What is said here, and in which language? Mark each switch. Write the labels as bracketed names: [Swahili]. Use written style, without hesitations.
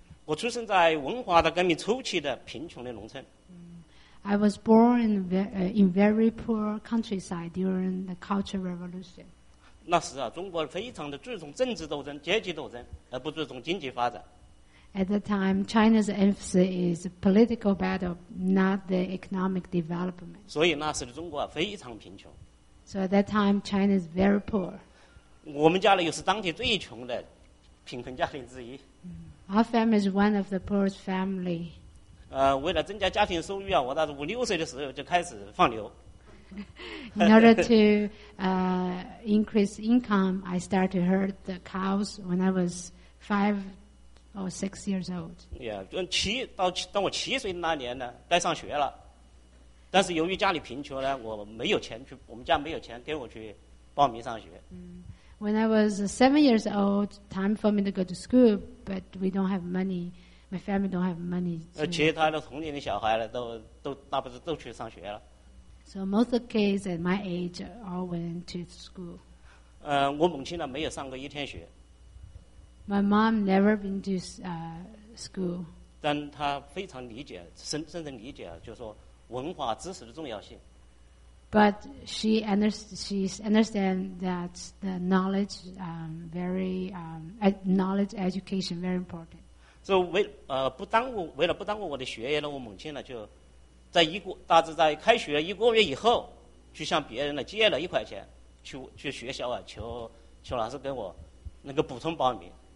[Chinese] 我出生在文化的革命初期的贫穷的农村。 [English] I was born in very poor countryside during the Cultural Revolution. [Chinese] 那时啊，中国非常的注重政治斗争、阶级斗争，而不注重经济发展。 [English] At the time, China's emphasis is political battle, not the economic development. [Chinese] 所以那时的中国啊，非常贫穷。 [English] So at that time, China is very poor. [Chinese] 我们家呢，又是当地最穷的贫困家庭之一。 [English] Our family is one of the poorest family. [Chinese] 为了增加家庭收入啊，我到五六岁的时候就开始放牛。 [English] In order to increase income, I started to herd the cows when I was 5 or 6 years old. [Chinese] Yeah, 当我七岁那年呢，该上学了。但是由于家里贫穷呢，我们家没有钱给我去报名上学。 [English] When I was 7 years old, time for me to go to school, but we don't have money. My family don't have money. [Chinese] 其他的同龄的小孩呢，都去上学了。 [English] So most of the kids at my age all went to school. [Chinese] 我母亲呢没有上过一天学。 [English] My mom never been to school. [Chinese] 但她非常理解，深深理解，就是说文化知识的重要性。 [English] But she understand that the knowledge knowledge education very important. [Chinese] So 为了不耽误我的学业呢，我母亲呢就在大致在开学一个月以后，去向别人呢借了一块钱，去学校啊求老师给我能够补充报名。